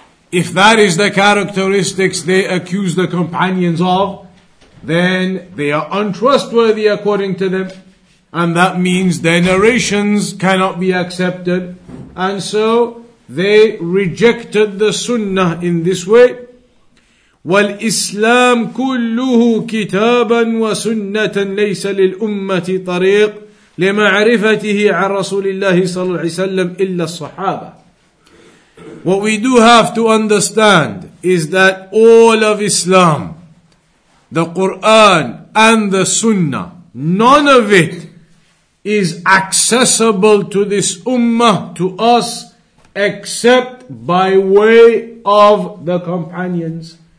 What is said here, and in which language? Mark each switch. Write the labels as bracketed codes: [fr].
[en] If that is the characteristics they accuse the companions of, then they are untrustworthy according to them. And that means their narrations cannot be accepted. And so they rejected the sunnah in this way. [ar] والإسلام كله كتابا وسنة ليس للأمة طريق لمعرفته عن رسول الله صلى الله عليه وسلم إلا الصحابة. [en] What we do have to understand is that all of Islam, the Quran and the Sunnah, none of it is accessible to this Ummah, to us, except by way of the companions.